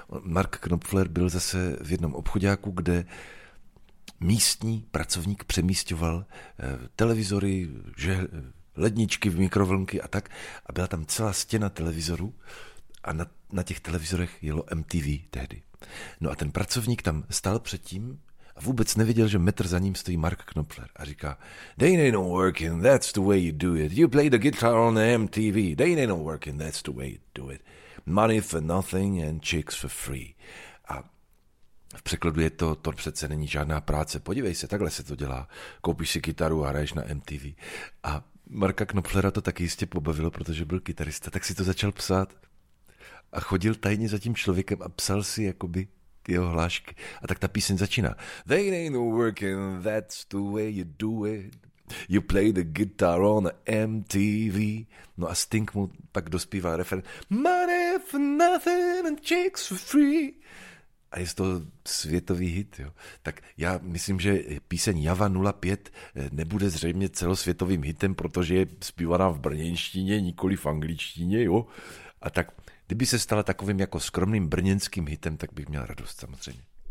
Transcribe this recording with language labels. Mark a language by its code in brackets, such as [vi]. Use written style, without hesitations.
[cs] Mark Knopfler byl zase v jednom obchoďáku, kde místní pracovník přemístěval televizory, ledničky v mikrovlnky a tak a byla tam celá stěna televizorů a na těch televizorech jelo MTV tehdy. No a ten pracovník tam stál předtím a vůbec nevěděl, že metr za ním stojí Mark Knopfler a říká: [en] "They ain't no working, that's the way you do it. You play the guitar on the MTV. They ain't no working, that's the way you do it. Money for nothing and chicks for free." [cs] A v překladu je to: to přece není žádná práce. Podívej se, takhle se to dělá. Koupíš si kytaru a hraješ na MTV. A Marka Knopflera to taky jistě pobavilo, protože byl kytarista, tak si to začal psát. A chodil tajně za tím člověkem a psal si jakoby ty jeho hlášky. A tak ta píseň začíná. [en] They ain't no working, that's the way you do it. You play the guitar on MTV. [cs] No a Sting mu pak dospívá refren. [en] Money for nothing and chicks for free. [cs] A je to světový hit, jo. Tak já myslím, že píseň Java 05 nebude zřejmě celosvětovým hitem, protože je zpívaná v brněnštině, nikoli v angličtině, jo. A tak kdyby se stala takovým jako skromným brněnským hitem, tak bych měl radost samozřejmě.